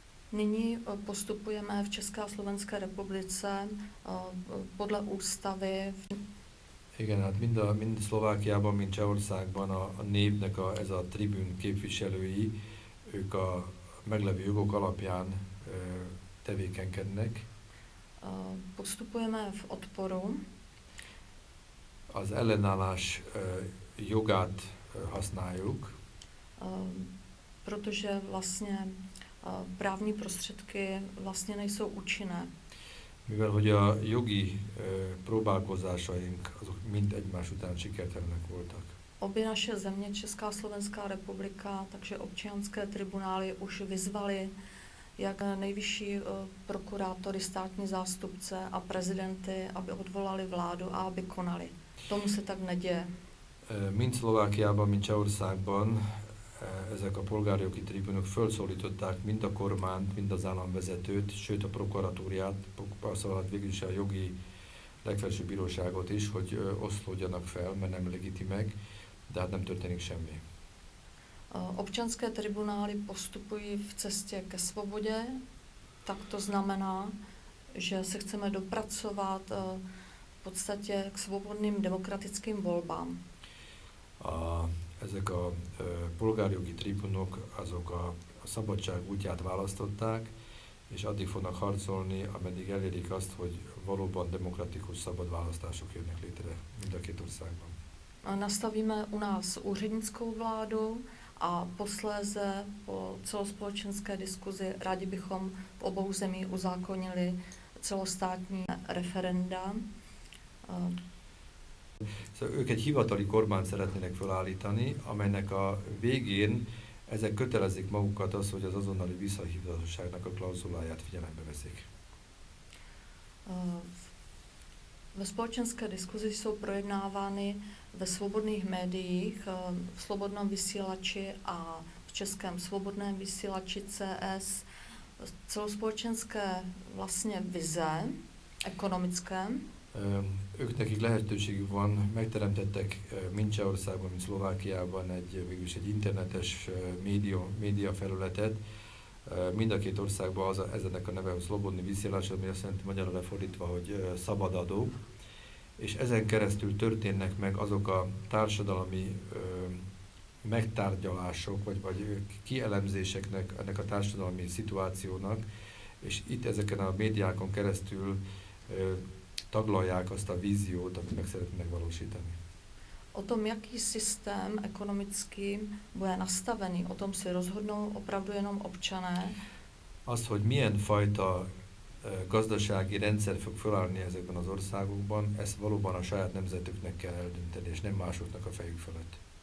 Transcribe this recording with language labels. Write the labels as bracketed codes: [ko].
[cs] Nyní postupujeme v České a Slovenské republice podle ústavy. [hu] Igen, hát mind Szlovákiában, mind Csehországban a népnek ez a tribűn képviselői, ők a meglevő jogok alapján tevékenykednek. [cs] Postupujeme v odporu. [hu] Az ellenállás jogát használjuk. [cs] Protože vlastně právní prostředky vlastně nejsou účinné. [hu] Mivel hogy a jogi próbálkozásaink azok mind egymás után sikertelenek voltak. [cs] Obě naše země, Česká a Slovenská republika, takže občanské tribunály už vyzvali jak nejvyšší prokurátory, státní zástupce a prezidenty, aby odvolali vládu a aby konali. Tomu se tak neděje. [hu] Mind Szlovákiában, mind Csehországban ezek a polgárjogi tribunok felszólították mind a kormányt, mind az államvezetőt, sőt a prokuratúriát, szóval végül is a jogi legfelsőbb bíróságot is, hogy oszlódjanak fel, mert nem legíti meg, de hát nem történik semmi. [cs] Občanské tribunály postupují v cestě ke svobodě, tak to znamená, že se chceme dopracovat v podstatě k svobodným demokratickým volbám. [hu] Ezek a polgárjogi tribunok, azok a szabadság útját választották, és addig fognak harcolni, ameddig elérik azt, hogy valóban demokratikus, szabad választások jönnek létre mind a két országban. [cs] Nastavíme u nás úřednickou vládu a posléze po celospolečenské diskuzi rádi bychom v obou zemí uzákonili celostátní referenda. [hu] Szóval ők egy hivatali kormányt szeretnének felállítani, amelynek a végén ezek kötelezik magukat az, hogy az azonnali visszahívhatóságnak a klauzuláját figyelembe veszik. [cs] Ve spoločenské diskuzi jsou projednávány ve svobodných médiích, v Slobodnom vysílači a v Českém svobodném vysílači CS, celospolečenské vlastně vize ekonomické. [hu] Ők nekik lehetőségük van, megteremtettek mind Csehországban, mind Szlovákiában egy internetes média felületet. Mind a két országban ezenek a neve a Szlobodný vysielač, ami azt jelenti magyarra lefordítva, hogy szabad adó. És ezen keresztül történnek meg azok a társadalmi megtárgyalások, vagy kielemzéseknek ennek a társadalmi szituációnak. És itt ezeken a médiákon keresztül taglalják azt a víziót, amit meg szeretnének valósítani. [cs] O tom, jaký systém ekonomický bude nastavený, o tom si rozhodnou opravdu jenom občané. [hu] Azt, hogy milyen fajta gazdasági rendszer fog felállni ezekben az országokban, ezt valóban a saját nemzetüknek kell eldönteni, és nem másoknak a fejük felett.